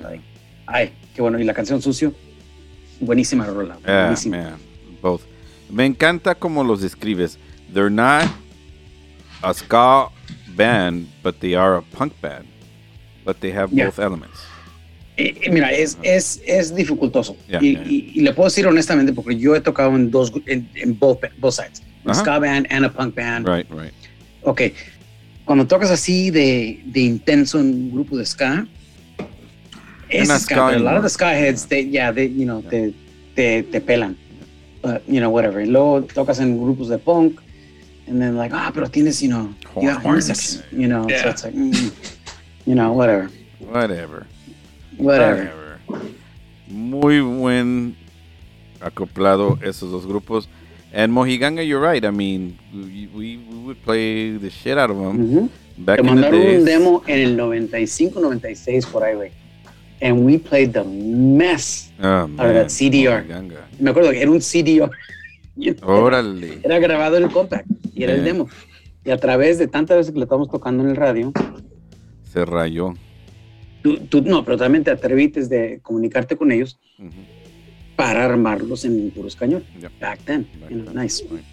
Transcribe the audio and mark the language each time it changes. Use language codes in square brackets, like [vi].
[es] Like, ay, qué bueno. Y la canción Sucio, buenísima rola. Buenísima. [en] Yeah, man. Both. [es] Me encanta como los describes. [en] They're not a ska band, but they are a punk band. But they have both elements. [es] Mira, es dificultoso. [en] Yeah. [es] Y le puedo decir honestamente, porque yo he tocado en dos, en [en] both sides. Uh-huh. A ska band and a punk band. Right, right. [es] Okay, cuando tocas así de intenso en un grupo de ska, es ska, [en] but a lot of the ska heads, [es] te pelan, [en] you know, whatever. [es] Y luego tocas en grupos de punk, [en] and then like, [es] pero tienes, [en] you know, you got horns, you know, so it's like, you know, whatever. Whatever. Whatever. [es] Muy buen acoplado esos dos grupos. [en] And Mojiganga, you're right. I mean, we would play the shit out of them back in the day. [es] Te mandaron un demo en el 95, 96, por ahí, güey. [en] And we played the mess out of that CDR. [es] Mojiganga. Me acuerdo que era un CDR. You [en] know? Órale. [es] Era grabado en el compact y era el demo. Y a través de tantas veces que lo estábamos tocando en el radio. Se rayó. Tú no, pero también te atreviste de comunicarte con ellos. Para armarlos en puro español. [en] Back then. Nice.